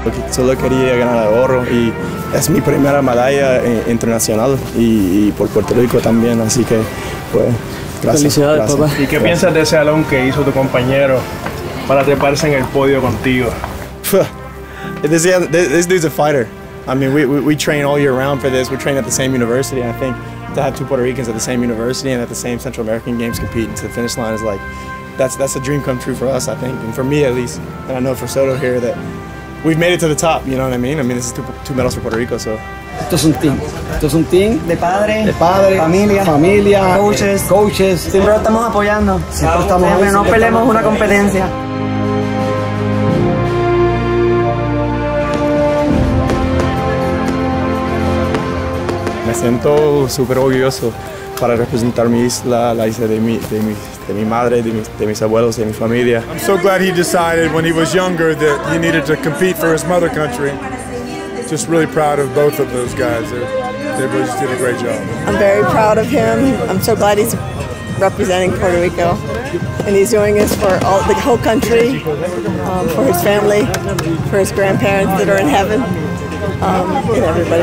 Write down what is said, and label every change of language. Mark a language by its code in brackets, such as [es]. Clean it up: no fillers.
[es] Solo quería ganar el oro y es mi primera medalla internacional y por Puerto Rico también, así que pues gracias. Felicidades, gracias. Papá. ¿Y qué gracias. Piensas de ese alón que hizo tu compañero para treparse en el podio contigo? [en] This dude's a fighter. I mean, we train all year round for this. We train at the same university. I think to have two Puerto Ricans at the same university and at the same Central American Games competing to the finish line is like, that's a dream come true for us, I think, and for me at least, and I know for Soto here that we've made it to the top, you know what I mean? I mean, this is two medals for Puerto Rico, so. [es] Esto es un team. Esto es un team. De padre. Familia. Coaches. Siempre lo estamos apoyando. Siempre estamos apoyando. Sí, no peleemos una competencia. Me siento súper orgulloso para representar mi isla, la isla de mi madre, de mis abuelos, de mi familia. [en] I'm so glad he decided when he was younger that he needed to compete for his mother country. Just really proud of both of those guys. They both did a great job. I'm very proud of him. I'm so glad he's representing Puerto Rico. And he's doing this for all the whole country, for his family, for his grandparents that are in heaven, and everybody.